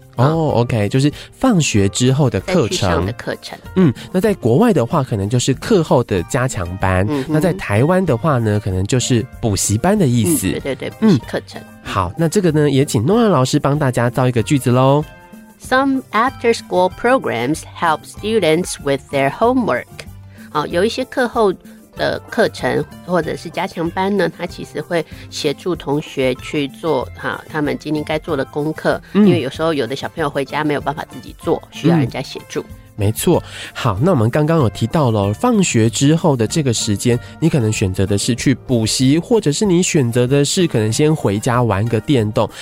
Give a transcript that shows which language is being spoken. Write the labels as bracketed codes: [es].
[zh] 哦。 OK， 就是放学之后的课程，在学校的课程。那在国外的话，可能就是课后的加强班。那在台湾的话呢，可能就是补习班的意思。对对对，补习课程。好，那这个呢，也请诺亚老师帮大家造一个句子喽。 [en] Some after school programs help students with their homework。 [zh] 好，有一些课后的课程或者是加强班呢，它其实会协助同学去做他们今天该做的功课，因为有时候有的小朋友回家没有办法自己做，需要人家协助。没错。好，那我们刚刚有提到了放学之后的这个时间，你可能选择的是去补习，或者是你选择的是可能先回家玩个电动。